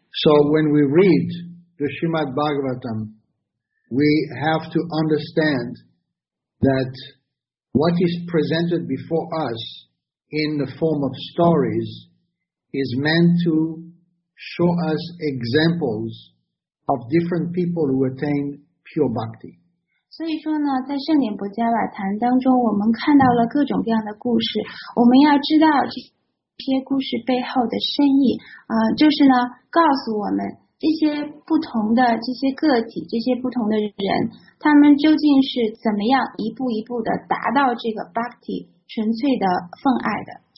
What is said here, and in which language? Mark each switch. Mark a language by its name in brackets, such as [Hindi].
[English] So when we read. The Srimad Bhagavatam, we have to understand that what is presented before us in the form of stories is meant to show us examples of different people who attain pure bhakti. [Chinese] 所以说呢，在圣典博伽瓦坛当中，我们看到了各种各样的故事。我们要知道这些故事背后的深意，就是呢，告诉我们。这些不同的这些个体，这些不同的人，他们究竟是怎么样一步一步的达到这个 bhakti 纯粹的奉爱的